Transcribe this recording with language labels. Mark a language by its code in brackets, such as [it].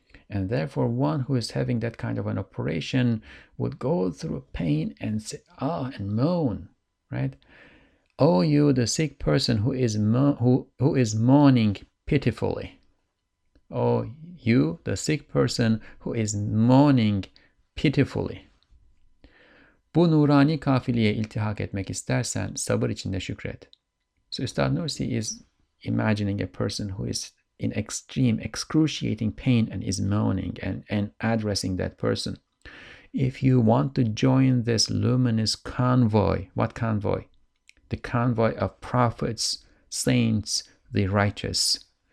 [en] And therefore, one who is having that kind of an operation would go through pain and say, ah, and moan, right? Oh, you, the sick person who is moaning pitifully. Oh, you, the sick person who is moaning pitifully. [tr] Bu nurani kafiliye iltihak etmek istersen sabır içinde şükret. [en] So Üstad Nursi is imagining a person who is in extreme, excruciating pain and is moaning and addressing that person. If you want to join this luminous convoy, what convoy? The convoy of prophets, saints, the righteous.